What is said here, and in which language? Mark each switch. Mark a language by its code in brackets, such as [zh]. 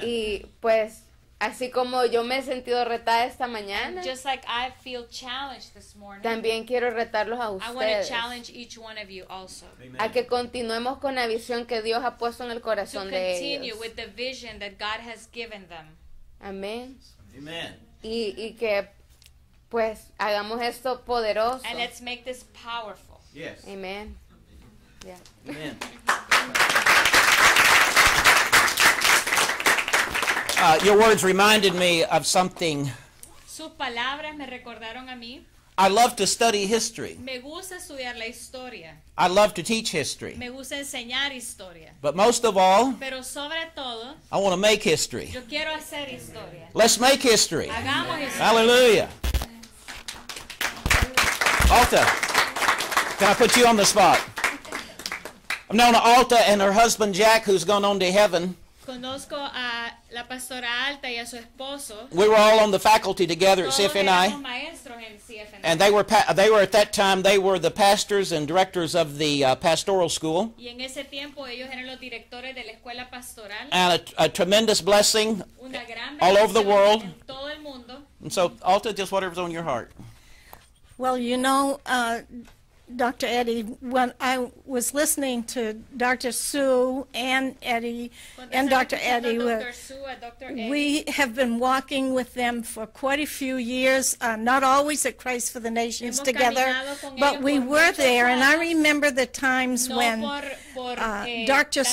[es] Y pues, así como yo me he sentido retada esta mañana, [en] just like I feel challenged this morning, [es] también quiero retarlos a ustedes. [en] I want to challenge each one of you also. Amen. [es] A que continuemos con la visión que Dios ha puesto en el corazón [en] to continue [es] de ellos. [en] With the vision that God has given them. [es] Amén. [en] Amen. [es] Y que pues hagamos esto poderoso. [en] And let's make this powerful. Yes. Amen. Yeah. Amen. Your words reminded me of something. [es] Sus palabras me recordaron a mí. [en] I love to study history. [es] Me gusta estudiar la historia. [en] I love to teach history. [es] Me gusta enseñar historia. [en] But most of all, [es] pero sobre todo, [en] I want to make history. [es] Yo quiero hacer historia. [en] Let's make history. [es] Hagamos historia. [en] Hallelujah. Alta, can I put you on the spot? I've known Alta and her husband Jack, who's gone on to heaven. [es] Conozco a la pastora Alta y a su esposo. [en] We were all on the faculty together [es] todos [en] at CFNI. [es] Maestros en CFNI. [en] And they were at that time, they were the pastors and directors of the pastoral school. [es] Y en ese tiempo, ellos eran los directores de la escuela pastoral. [en] And a tremendous blessing [es] una gran bendición [en] all over the world. [es] En todo el mundo. [en] And so, Alta, just whatever's on your heart. Well, you know, Dr. Eddie, when I was listening to Dr. Sue and Eddie, and Dr. Eddie, we have been walking with them for quite a few years, not always at Christ for the Nations together, but we were there, and I remember the times when Dr.